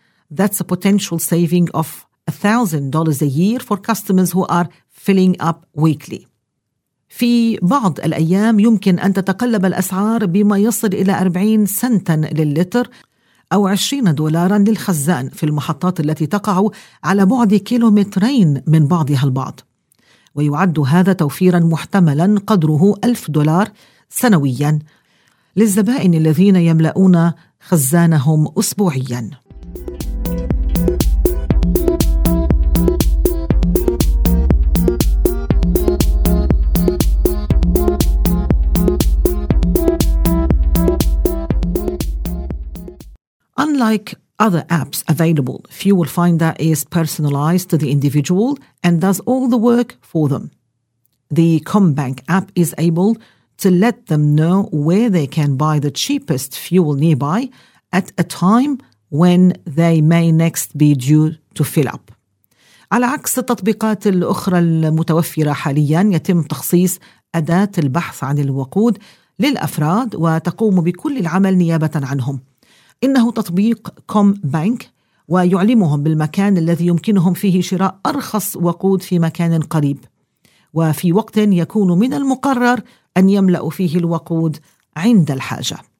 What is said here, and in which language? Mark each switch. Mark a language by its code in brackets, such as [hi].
[en] That's a potential saving of $1,000 a year for customers who are filling up weekly. [ar] في بعض الأيام يمكن أن تتقلب الأسعار بما يصل إلى 40 سنتا للتر أو 20 دولارا للخزان في المحطات التي تقع على بعد كيلومترين من بعضها البعض، ويعد هذا توفيرا محتملا قدره 1000 دولار سنويا للزبائن الذين يملؤون خزانهم أسبوعيا. [en] Unlike other apps available, Fuel Finder is personalized to the individual and does all the work for them. The Combank app is able to let them know where they can buy the cheapest fuel nearby at a time when they may next be due to fill up. [ar] على عكس التطبيقات الأخرى المتوفرة حالياً، يتم تخصيص أداة البحث عن الوقود للأفراد وتقوم بكل العمل نيابة عنهم. إنه تطبيق كوم بانك ويعلمهم بالمكان الذي يمكنهم فيه شراء أرخص وقود في مكان قريب وفي وقت يكون من المقرر أن يملأ فيه الوقود عند الحاجة.